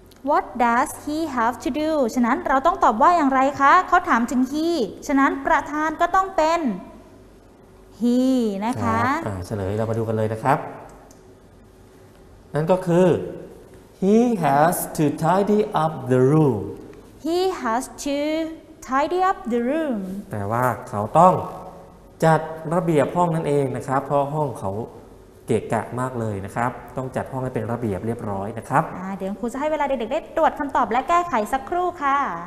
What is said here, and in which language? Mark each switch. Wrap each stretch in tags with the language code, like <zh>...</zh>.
<en>what does he have to do</en> <th>ฉะนั้นเราต้องตอบว่าอย่างไรคะเขาถามถึง he ฉะนั้นประธานก็ต้องเป็น he นะคะ เฉลยเรามาดูกันเลยนะครับนั่นก็คือ</th> <en>He has to tidy up the room. He has to tidy up the room.</en> <th>แต่ว่าเขาต้องจัดระเบียบห้องนั่นเองนะครับเพราะห้องเขาเกะกะมากเลยนะครับต้องจัดห้องให้เป็นระเบียบเรียบร้อยนะครับ เดี๋ยวครูจะให้เวลาเด็กๆได้ตรวจคำตอบและแก้ไขสักครู่ค่ะ</th>